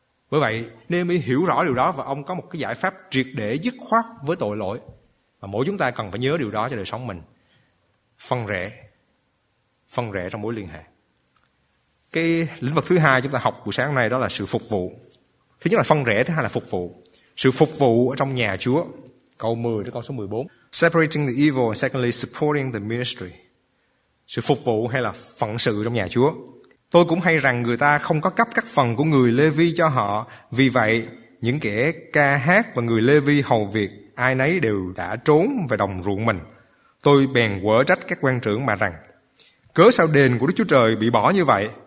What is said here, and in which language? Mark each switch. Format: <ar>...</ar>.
<vi>Bởi vậy, Nê-mi hiểu rõ điều đó và ông có một cái giải pháp triệt để dứt khoát với tội lỗi. Và mỗi chúng ta cần phải nhớ điều đó cho đời sống mình. Phân rẽ trong mối liên hệ. Cái lĩnh vực thứ hai chúng ta học buổi sáng hôm nay đó là sự phục vụ. Thứ nhất là phân rẽ, thứ hai là phục vụ. Sự phục vụ ở trong nhà Chúa. Câu 10 đến câu số 14.</vi> <en>Separating the evil and secondly supporting the ministry.</en> <vi>Sự phục vụ hay là phận sự trong nhà Chúa. Tôi cũng hay rằng người ta không có cấp các phần của người Lê-vi cho họ. Vì vậy, Những kẻ ca hát và người Lê Vi hầu việc, ai nấy đều đã trốn về đồng ruộng mình. Tôi bèn quở trách các quan trưởng mà rằng, cớ sao đền của Đức Chúa Trời bị bỏ như vậy?</vi>